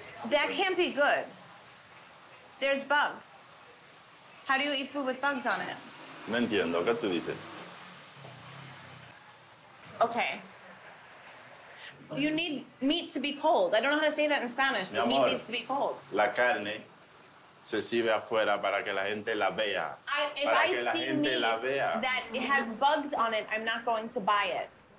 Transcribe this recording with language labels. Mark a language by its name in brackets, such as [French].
[English] That can't be good. There's bugs. How do you eat food with bugs on it? [Spanish] No entiendo. ¿Qué tú dices? [English] Okay. You need meat to be cold. I don't know how to say that in Spanish, [Spanish] mi amor, [English] but meat needs to be cold. [Spanish] La carne. Se sirve afuera para que la gente la vea. [English] If I see meat that it has bugs on it, I'm not going to buy it.